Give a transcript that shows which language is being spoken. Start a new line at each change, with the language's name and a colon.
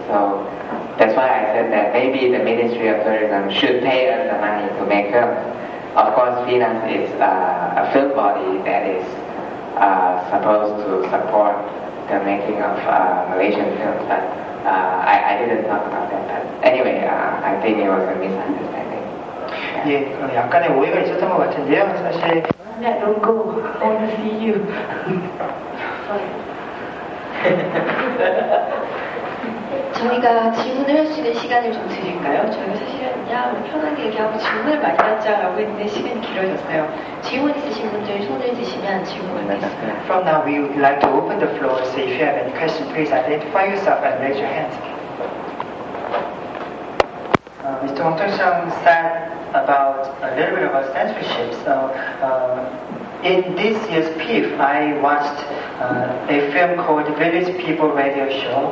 English: So that's why I said that maybe the Ministry of Tourism should pay us the money to make films. Of course, FINAS is a film body that is supposed to support the making of Malaysian films. But I didn't talk about that. But anyway, I think it was a misunderstanding.
Korean: 예, 약간의 오해가 있었던 것 같은데요. 사실.
English: Yeah, don't go. I want to see you. Sorry.
Korean: 저희가 질문을 할 수 있는 시간을 좀 드릴까요? 저희 사실은 야, 뭐 편하게 얘기하고 질문을 많이 하자라고 했는데 시간이 길어졌어요. 질문 있으신 분들 손을 드시면 질문을 드릴게요.
English: From now, we would like to open the floor. So if you have any questions, please identify yourself and raise your hand. Mr. Wang Tok-chung said about a little bit about censorship. So, in this year's PIFF, I watched a film called Village People Radio Show.